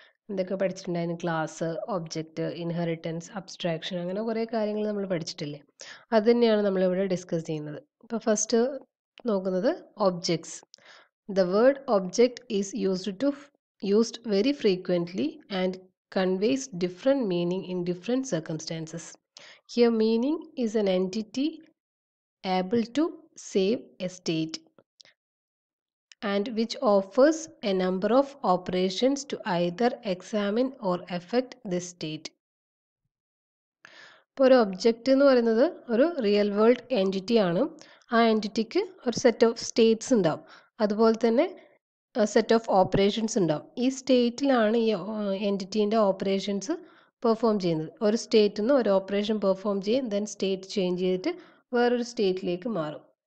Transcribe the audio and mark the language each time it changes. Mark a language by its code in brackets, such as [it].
[ml] എന്തൊക്കെ പഠിച്ചിട്ടുണ്ടായിരുന്നു, class, object, inheritance, abstraction, അങ്ങനെ കുറേ കാര്യങ്ങൾ നമ്മൾ പഠിച്ചിട്ടില്ലേ, അത് തന്നെയാണ് നമ്മളിവിടെ ഡിസ്കസ് ചെയ്യുന്നത്. ഇപ്പോൾ ഫസ്റ്റ് നോക്കുന്നത് objects. [en] The word object is used very frequently and conveys different meaning in different circumstances. Here meaning is an entity able to save a state and which offers a number of operations to either examine or affect the state. [ml] ഇപ്പോൾ ഒരു object എന്ന് പറയുന്നത് ഒരു real world entity ആണ്. ആ എൻറ്റിറ്റിക്ക് ഒരു set of States ഉണ്ടാവും, അതുപോലെ തന്നെ സെറ്റ് ഓഫ് ഓപ്പറേഷൻസ് ഉണ്ടാവും. ഈ സ്റ്റേറ്റിലാണ് ഈ എൻറ്റിറ്റീൻ്റെ ഓപ്പറേഷൻസ് പെർഫോം ചെയ്യുന്നത്. ഒരു സ്റ്റേറ്റിൽ നിന്ന് ഒരു ഓപ്പറേഷൻ പെർഫോം ചെയ്യും, ദെൻ സ്റ്റേറ്റ് ചേഞ്ച് ചെയ്തിട്ട് വേറൊരു സ്റ്റേറ്റിലേക്ക് മാറും.